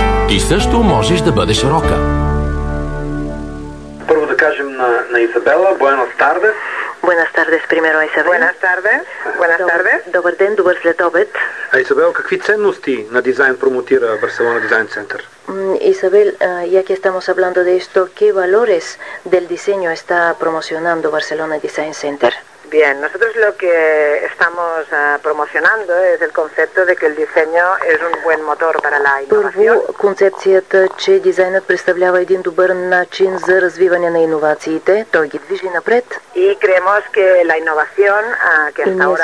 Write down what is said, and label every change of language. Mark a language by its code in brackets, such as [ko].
[bg] И също можеш да бъдеш Рока. Първо да кажем на Изабела. [es] Buenas tardes. Buenas tardes, primero Isabel. Buenas tardes. Buenas tardes. [bg] Добър ден, добър следобед. А Изабел, какви ценности на дизайн промотира Барселона Дизайн Център? [es] Isabel, ya que estamos hablando de esto, ¿qué valores del diseño está promocionando Barcelona Design Center? Bien, nosotros lo que estamos promocionando es el concepto de que el diseño es un buen motor para la innovación. [bg] Първо, концепцията, че дизайнът представлява един добър начин за развиване на иновациите, той ги движи напред. [es] Y creemos que la innovación, que hasta ahora